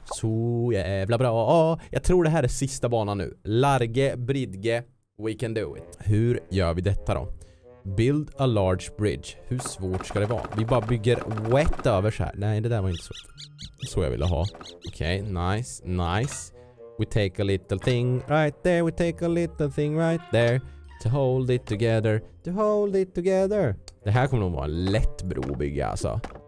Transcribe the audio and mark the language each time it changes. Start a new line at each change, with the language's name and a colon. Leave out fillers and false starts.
Swedish: Så jävla bra. Jag tror det här är sista banan nu.
English: Large bridge. We can do it.
Swedish: Hur gör vi detta då?
English: Build a large bridge.
Swedish: Hur svårt ska det vara? Vi bara bygger wet över så här. Nej, det där var inte svårt. Så jag ville ha. Okej, okay, nice.
English: We take a little thing right there. We take a little thing right there. To hold it together. To hold it together.
Swedish: Det här kommer nog vara en lätt bro att bygga alltså.